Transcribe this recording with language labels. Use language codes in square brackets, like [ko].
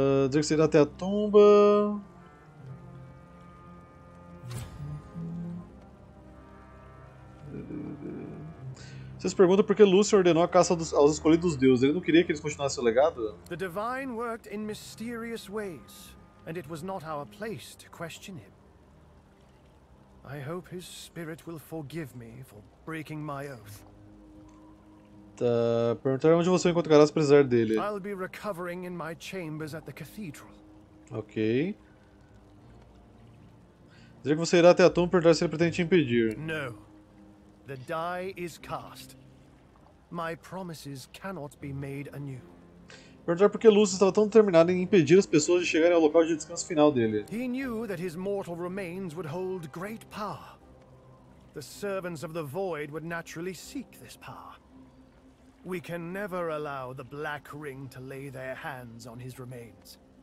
[pt] Diz que você irá até a tumba. Vocês perguntam por que Lúcio ordenou a caça aos escolhidos dos deuses. Ele não queria que eles continuassem o legado? [en] The divine worked in mysterious ways, and it was not our place to question him. I hope his spirit will forgive me for breaking my oath. [pt] Tá, perguntaram onde você encontrará se precisar dele. [en] I'll be recovering in my chambers at the cathedral. Ok. [pt] Dizer que você irá até a tumba e perguntar se ele pretende te impedir. Não. [en] The die is cast. My promises cannot be made anew. [pt] Perguntar por que Lúcio estava tão determinado em impedir as pessoas de chegarem ao local de descanso final dele. [en] He knew that his mortal remains would hold great power. The servants of the void would naturally seek this power. We can never allow the Black Ring to lay their hands on his remains.